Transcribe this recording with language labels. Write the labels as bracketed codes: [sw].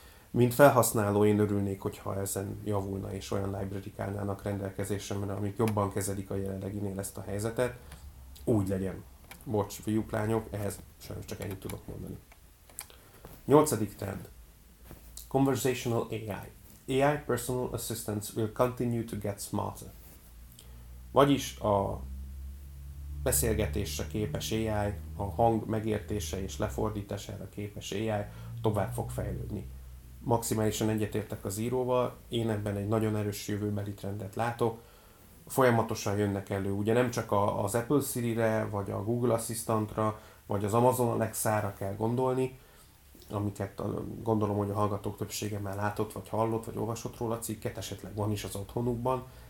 [hu] Mint felhasználó én örülnék, hogyha ezen javulna és olyan library-k állnának rendelkezésemre, amik jobban kezelik a jelenleginél ezt a helyzetet. Úgy legyen. Bocs, fiúk, lányok, ehhez sajnos csak ennyit tudok mondani. 8. trend. [en] Conversational AI. AI personal assistants will continue to get smarter. [hu] Vagyis a beszélgetésre képes AI, a hang megértése és lefordítására képes AI tovább fog fejlődni. Maximálisan egyetértek az íróval, én ebben egy nagyon erős jövőbeli trendet látok. Folyamatosan jönnek elő, ugye nem csak az Apple Siri-re, vagy a Google Assistant-ra, vagy az Amazon Alexa-ra kell gondolni, amiket gondolom, hogy a hallgatók többsége már látott, vagy hallott, vagy olvasott róla a cikket, esetleg van is az otthonukban